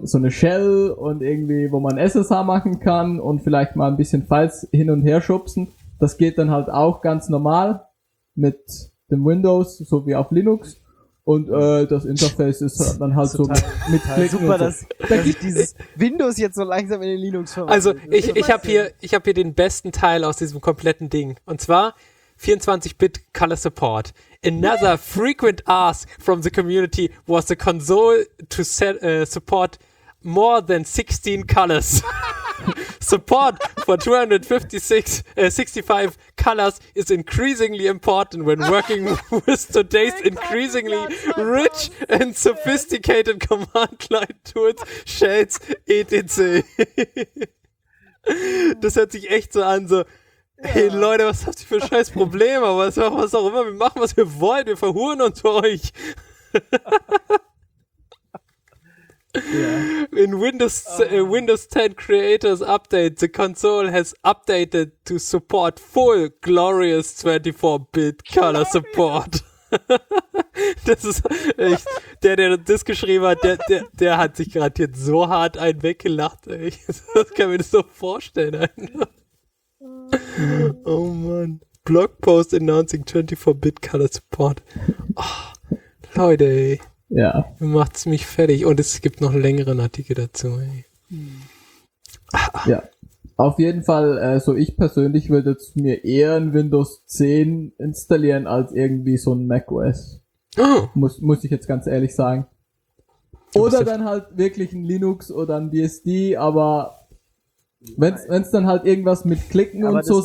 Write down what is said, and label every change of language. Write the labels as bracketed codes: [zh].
[de] Shell und irgendwie, wo man SSH machen kann und vielleicht mal ein bisschen Files hin und her schubsen, das geht dann halt auch ganz normal mit dem Windows, so wie auf Linux. Und das Interface ist dann halt so mit Klicken super, und so. Dass ich dieses Windows jetzt so langsam in den Linux verwandle. Also ich habe hier den besten Teil aus diesem kompletten Ding. Und zwar, [en] 24-Bit Color Support. Another frequent ask from the community was the console to set, support more than 16 colors. Support for 265 colors is increasingly important when working with today's increasingly rich and sophisticated command line tools, shades, etc. [de] Das hört sich echt so an, so, hey Leute, was habt ihr für scheiß Probleme, was, was auch immer, wir machen, was wir wollen, wir verhuren uns für euch. [en] Yeah. In Windows, Windows 10 Creators Update, the console has updated to support full glorious 24-bit color support. [de] Das ist echt, der das geschrieben hat, der hat sich gerade jetzt so hart einen weggelacht, ey. Das kann mir das so vorstellen. Einfach. [en] Oh man, Blogpost announcing 24-bit color support. [de] Oh, Leute, ey. Ja. Macht's mich fertig. Und es gibt noch einen längeren Artikel dazu. Hm. Ja. Auf jeden Fall, also ich persönlich würde jetzt mir eher ein Windows 10 installieren als irgendwie so ein macOS. Oh. Muss ich jetzt ganz ehrlich sagen. Oder dann halt wirklich ein Linux oder ein BSD, aber wenn es dann halt irgendwas mit Klicken aber und so